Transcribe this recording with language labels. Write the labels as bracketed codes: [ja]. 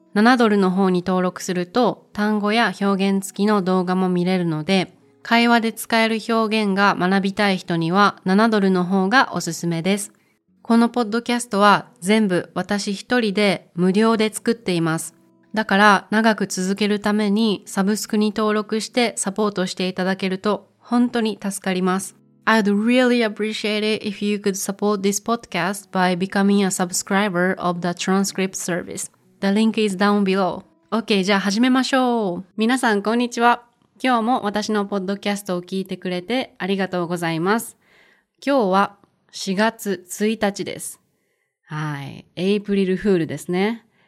[ja] 7ドルの方に登録すると単語や表現付きの動画も見れるので、会話で使える表現が学びたい人には7ドルの方がおすすめです。このポッドキャストは全部私一人で無料で作っています。だから長く続けるためにサブスクに登録してサポートしていただけると本当に助かります。 [en] I'd really appreciate it if you could support this podcast by becoming a subscriber of the transcript service. The link is down below. [ja] OK, じゃあ始めましょう。皆さんこんにちは。今日も私のポッドキャストを聞いてくれてありがとうございます。今日は4月1日です。はい、エイプリルフールですね。